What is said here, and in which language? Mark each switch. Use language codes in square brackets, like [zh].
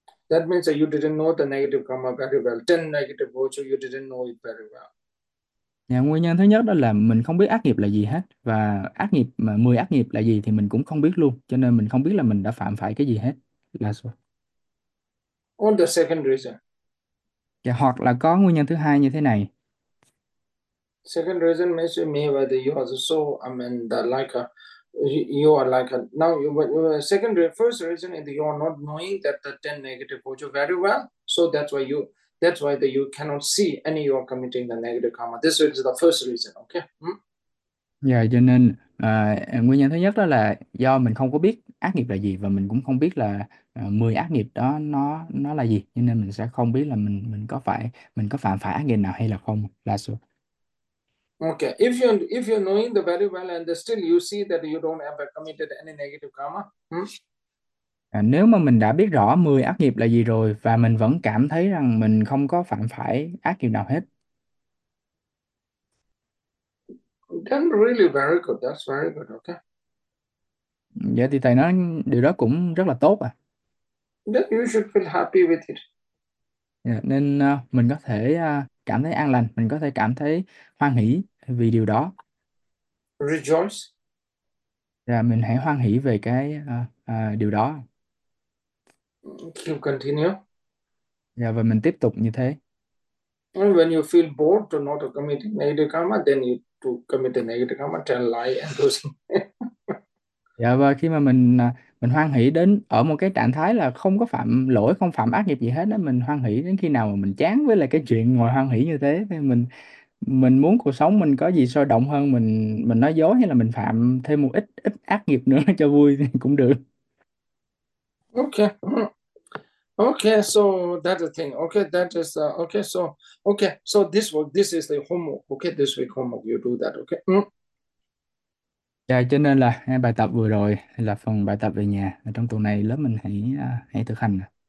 [en] That means that you didn't know the negative karma very well. 10 negative virtues, you didn't know it very well. [vi] Nhà nguyên nhân thứ nhất đó là mình không biết ác nghiệp là gì hết, và ác nghiệp mà 10 ác nghiệp là gì thì mình cũng không biết luôn, cho nên mình không biết là mình đã phạm phải cái gì hết là sao. [en] On the second reason. [vi] Dạ, hoặc là có nguyên nhân thứ hai như thế này. [en] Second reason means you may whether you are so, I mean, the, like a, You are like a, now you secondary first reason is you are not knowing that the 10 negative bhojo very well, so that's why you that's why that you cannot see any you are committing the negative karma. This is the first reason. Okay. [vi] Dạ, cho nên nguyên nhân thứ nhất đó là do mình không có biết ác nghiệp là gì, và mình cũng không biết là 10 ác nghiệp đó nó là gì, cho nên mình sẽ không biết là mình có phạm phải ác nghiệp nào hay là không, là số. [en] Okay, if you're knowing the very well and still you see that you don't ever committed any negative karma. [vi] Nếu mà mình đã biết rõ 10 ác nghiệp là gì rồi và mình vẫn cảm thấy rằng mình không có phạm phải ác nghiệp nào hết. [en] Then really very good. That's very good. Okay. [vi] Vậy thì thầy nói điều đó cũng rất là tốt à. [en] Then you should feel happy with it. [vi] Nên mình có thể cảm thấy an lành, mình có thể cảm thấy hoan hỷ vì điều đó. [en] Rejoice. [vi] Và mình hãy hoan hỷ về cái điều đó. [en] Keep continue. [vi] Và mình tiếp tục như thế. [en] And when you feel bored to not committing negative karma, then you to commit the negative karma, tell lie and those [vi] Dạ, và khi mà mình hoan hỷ đến ở một cái trạng thái là không có phạm lỗi, không phạm ác nghiệp gì hết đó, mình hoan hỷ đến khi nào mà mình chán với lại cái chuyện ngồi hoan hỷ như thế, thì mình muốn cuộc sống mình có gì sôi động hơn, mình nói dối hay là mình phạm thêm một ít ít ác nghiệp nữa cho vui thì cũng được. [en] Okay. Okay, so that's the thing. Okay, that is okay, so this is the homework. Okay, this week homework you do that. Okay. [vi] Dạ, cho nên là bài tập vừa rồi là phần bài tập về nhà. Trong tuần này lớp mình hãy thực hành.